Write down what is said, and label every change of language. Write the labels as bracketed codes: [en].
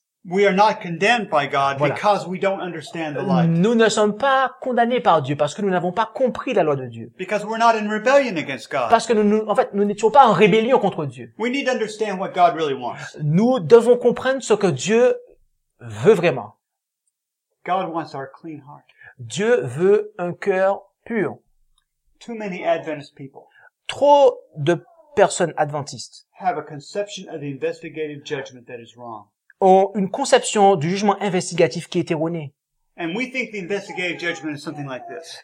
[en] we are not condemned by God, voilà, because we don't understand the light. [fr] Nous ne sommes pas condamnés par Dieu parce que nous n'avons pas compris la loi de Dieu. [en] Because we're not in rebellion against God. [fr] Parce que nous n'étions pas en rébellion contre Dieu. [en] We need to understand what God really wants. [fr] Nous devons comprendre ce que Dieu veut vraiment. [en] God wants our clean heart. [fr] Dieu veut un cœur pur. [en] Too many Adventist people. [fr] Trop de personnes adventistes [en] have a conception of the investigative judgment that is wrong. [fr] Ont une conception du jugement investigatif qui est erronée. [en] And we think the investigative judgment is something like this.